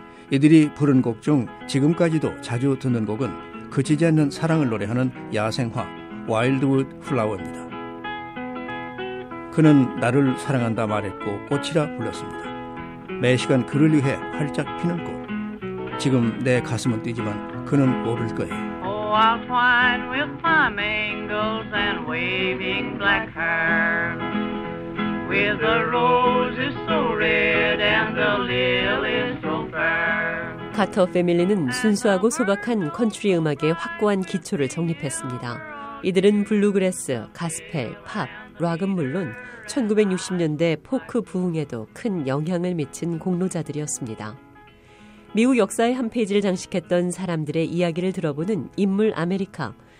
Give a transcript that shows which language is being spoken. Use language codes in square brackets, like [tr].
[ko] 이들이 부른 곡 중 지금까지도 자주 듣는 곡은 그치지 않는 사랑을 노래하는 야생화 Wildwood Flower입니다. 그는 나를 사랑한다 말했고 꽃이라 불렀습니다. 매 시간 그를 위해 활짝 피는 꽃. 지금 내 가슴은 뛰지만 그는 모를 거예요. [en] Oh, I'll twine with flamingos and waving black herbs, with the roses so red and the lilies so fair. [ko] 카터 패밀리는 순수하고 소박한 컨트리 음악의 확고한 기초를 정립했습니다. 이들은 블루그래스, 가스펠, 팝, 락은 물론 1960년대 포크 부흥에도 큰 영향을 미친 공로자들이었습니다. 미국 역사의 한 페이지를 장식했던 사람들의 이야기를 들어보는 인물 아메리카.